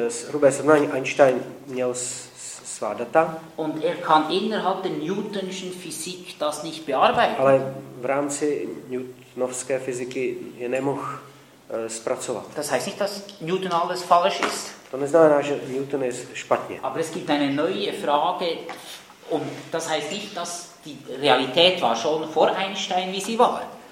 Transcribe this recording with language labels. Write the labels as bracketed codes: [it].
[cs] Hrubé srovnání, Einstein měl svá data. [de] Und er kann innerhalb der newtonschen Physik das nicht bearbeiten. [cs] Ale v rámci newtonovské fyziky je nemohl zpracovat. [de] Das heißt nicht, dass Newton alles falsch ist. [cs] To neznamená, že Newton je špatně. [de] Aber es gibt eine neue Frage. Und das heißt nicht, dass die Realität war schon vor Einstein, wie sie war.